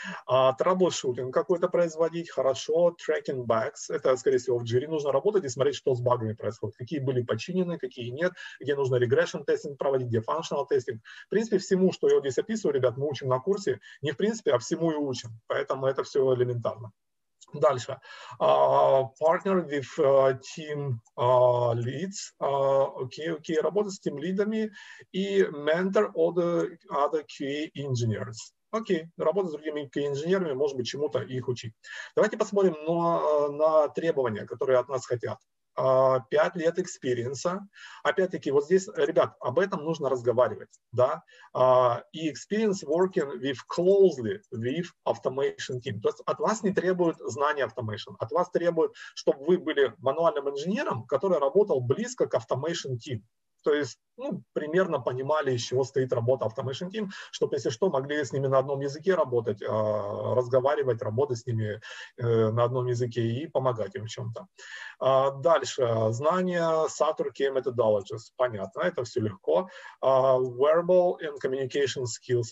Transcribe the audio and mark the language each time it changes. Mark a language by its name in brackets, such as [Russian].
[Russian] Troubleshooting какой-то производить, хорошо. [English] Tracking bugs, [Russian] это, скорее всего, в Jira нужно работать и смотреть, что с багами происходит. Какие были починены, какие нет, где нужно regression testing проводить, где functional testing. В принципе, всему, что я вот здесь описываю, ребят, мы учим на курсе, не в принципе, а всему и учим. Поэтому это все элементарно. Дальше. [English] Partner with team leads. [Russian] Окей. Работать с team лидами и [English] mentor other QA engineers. [Russian] Окей. Работать с другими QA инженерами, может быть, чему-то их учить. Давайте посмотрим на требования, которые от нас хотят. 5 лет экспириенса. Опять-таки, вот здесь, ребят, об этом нужно разговаривать, да? [English] И experience working with closely with automation team. [Russian] То есть от вас не требуют знания automation. От вас требуют, чтобы вы были мануальным инженером, который работал близко к automation team. То есть, ну, примерно понимали, из чего стоит работа automation team, чтобы, если что, могли с ними на одном языке работать, разговаривать, работать с ними на одном языке и помогать им в чем-то. Дальше. Знания Satur Key Methodologies. Понятно, это все легко. [English] Verbal and communication skills.